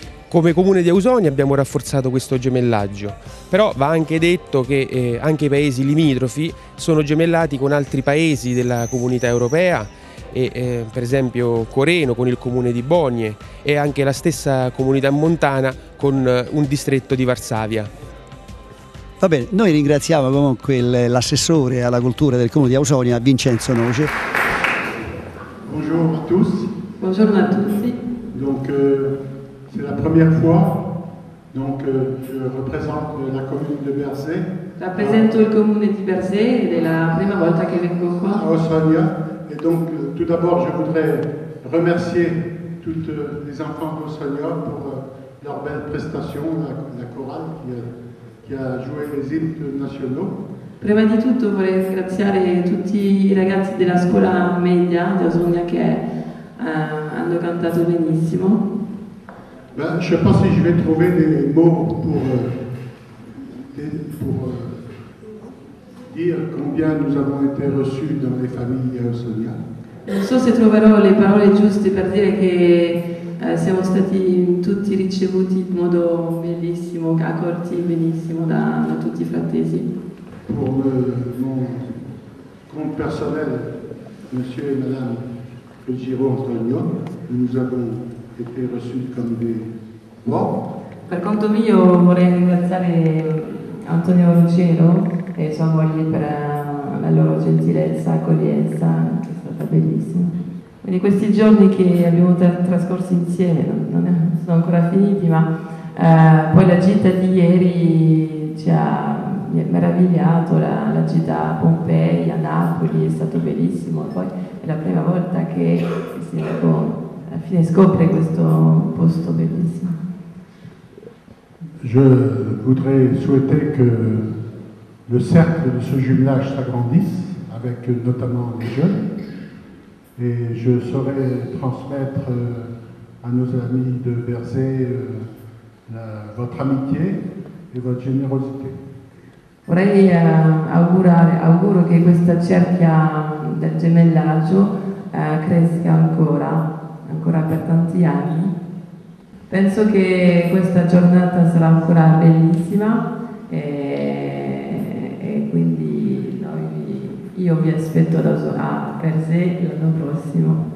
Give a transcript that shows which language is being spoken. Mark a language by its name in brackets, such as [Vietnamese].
[Italian] come comune di Ausonia abbiamo rafforzato questo gemellaggio, però va anche detto che anche i paesi limitrofi sono gemellati con altri paesi della comunità europea, e per esempio Coreno con il comune di Bonie e anche la stessa comunità montana con un distretto di Varsavia. Va bene, noi ringraziamo comunque l'assessore alla cultura del comune di Ausonia, Vincenzo Noce. Buongiorno a tutti. Buongiorno a tutti. [French] Donc c'est la première fois. Donc je représente la commune de Bersay. [Italian] Rappresento il comune di Bersay, ed è la prima volta che vengo qua. Ausonia. [French] Et donc tout d'abord, je voudrais remercier toutes les enfants d'Ausonia pour leur belle prestation, la chorale qui a joué les hymnes nationaux. [Italian] Prima di tutto vorrei ringraziare tutti i ragazzi della scuola media di Ausonia che hanno cantato benissimo. [French] Ben, je sais pas si je vais trouver des mots pour dire combien nous avons été reçus dans les familles ausoniennes. [Italian] Non so se troverò le parole giuste per dire che siamo stati tutti ricevuti in modo bellissimo, accolti benissimo da tutti i frattesi. [French] Pour mon compte personnel, monsieur et madame Giro-Antonio, nous avons été reçus comme des rois. [Italian] Per conto mio vorrei ringraziare Antonio Ruggero e sua moglie per la loro gentilezza, accoglienza, che è stata bellissima. Quindi questi giorni che abbiamo trascorso insieme non sono ancora finiti, ma poi la gita di ieri mi è meravigliato, la gita a Pompei, a Napoli, è stato bellissimo. Poi è la prima volta che il sindaco alla fine scopre questo posto bellissimo. [French] Je voudrais souhaiter que le cercle de ce jumelage s'agrandisse, avec notamment les jeunes, et je saurais transmettre à nos amis de Bersay votre amitié et votre générosité. [Italian] Vorrei auguro che questa cerchia del gemellaggio cresca ancora per tanti anni. Penso che questa giornata sarà ancora bellissima e quindi io vi aspetto da sola per sé l'anno prossimo.